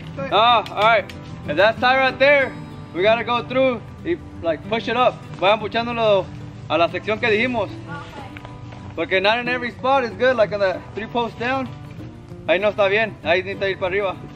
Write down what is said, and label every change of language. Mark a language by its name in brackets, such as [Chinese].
[English] Alright, if that's tight right there, we gotta go through, like push it up. [Spanish] Voy empuchándolo a la sección que dijimos. [English] Porque not in every spot is good, like on the three posts down. [Spanish] Ahí no está bien, ahí necesita ir para arriba.